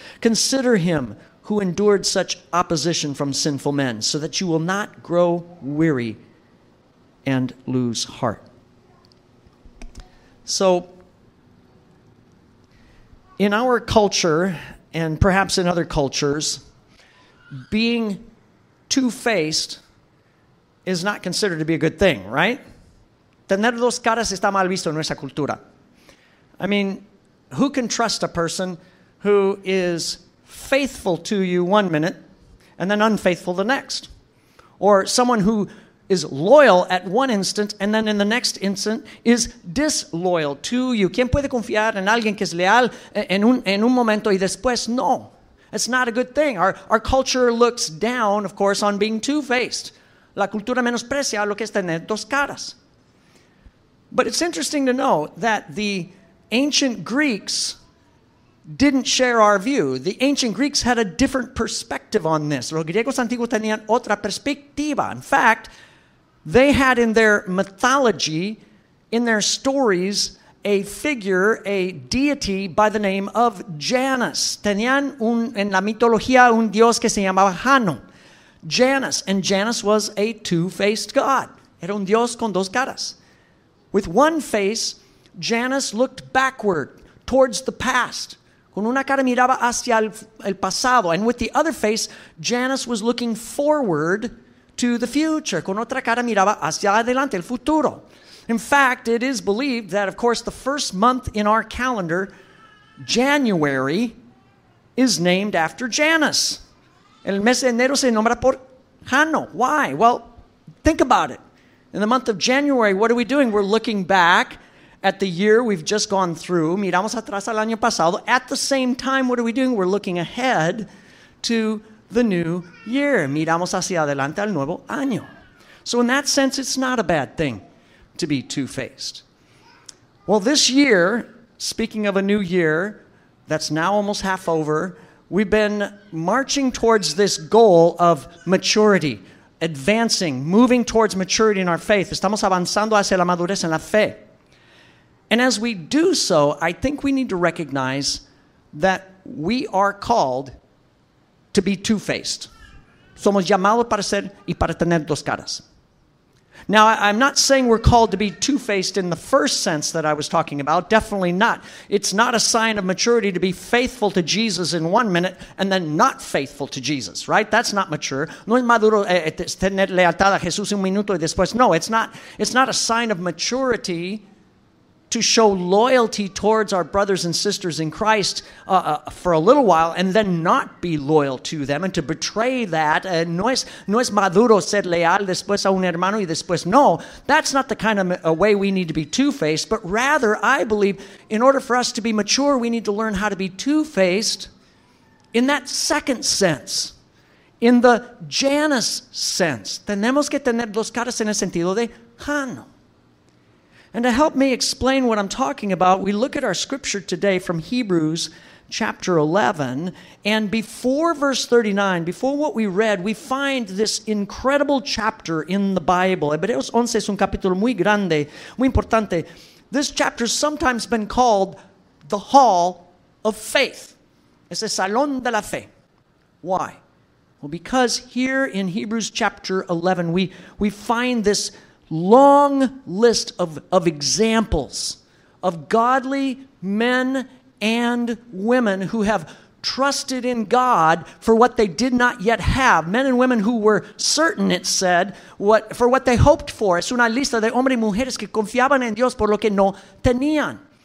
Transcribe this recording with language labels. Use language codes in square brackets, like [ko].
[en] Consider him who endured such opposition from sinful men, so that you will not grow weary and lose heart. So, in our culture, and perhaps in other cultures, being two-faced is not considered to be a good thing, right? [es] Tener dos caras está mal visto en nuestra cultura. [en] I mean, who can trust a person who is faithful to you one minute and then unfaithful the next? Or someone who is loyal at one instant and then in the next instant is disloyal to you. [es] ¿Quién puede confiar en alguien que es leal en un momento y después no? [en] It's not a good thing. Our culture looks down, of course, on being two-faced. [es] La cultura menosprecia lo que es tener dos caras. [en] But it's interesting to know that the ancient Greeks didn't share our view. The ancient Greeks had a different perspective on this. [es] Los griegos antiguos tenían otra perspectiva. [en] In fact, they had in their mythology, in their stories, a figure, a deity by the name of Janus. [es] Tenían en la mitología un dios que se llamaba Jano. [en] Janus. And Janus was a two-faced god. [es] Era un dios con dos caras. [en] With one face, Janus looked backward towards the past. [es] Con una cara miraba hacia el pasado. [en] And with the other face, Janus was looking forward to the future. [es] Con otra cara miraba hacia adelante, el futuro. [en] In fact, it is believed that, of course, the first month in our calendar, January, is named after Janus. [es] El mes de enero se nombra por Jano. [en] Why? Well, think about it. In the month of January, what are we doing? We're looking back at the year we've just gone through, [es] miramos atrás al año pasado. [en] At the same time, what are we doing? We're looking ahead to the new year. [es] Miramos hacia adelante al nuevo año. [en] So in that sense, it's not a bad thing to be two-faced. Well, this year, speaking of a new year that's now almost half over, we've been marching towards this goal of maturity, advancing, moving towards maturity in our faith. [es] Estamos avanzando hacia la madurez en la fe. [en] And as we do so, I think we need to recognize that we are called to be two-faced. [es] Somos llamados para ser y para tener dos caras. [en] Now, I'm not saying we're called to be two-faced in the first sense that I was talking about. Definitely not. It's not a sign of maturity to be faithful to Jesus in 1 minute and then not faithful to Jesus, right? That's not mature. [es] No es maduro tener lealtad a Jesús un minuto y después. [en] No, it's not. It's not a sign of maturity to show loyalty towards our brothers and sisters in Christ for a little while and then not be loyal to them and to betray that. [es] No es maduro ser leal después a un hermano y después no. [en] That's not the kind of a way we need to be two-faced, but rather, I believe, in order for us to be mature, we need to learn how to be two-faced in that second sense, in the Janus sense. [es] Tenemos que tener dos caras en el sentido de Jano. [en] And to help me explain what I'm talking about, we look at our scripture today from Hebrews chapter 11. And before verse 39, before what we read, we find this incredible chapter in the Bible. [es] Hebreos 11 es un capítulo muy grande, muy importante. [en] This chapter has sometimes been called the Hall of Faith. [es] Es el Salón de la Fe. [en] Why? Well, because here in Hebrews chapter 11, we find this long list of examples of godly men and women who have trusted in God for what they did not yet have. Men and women who were certain, it said, for what they hoped for. [es] Es una lista de hombres y mujeres que confiaban en Dios por lo que no tenían.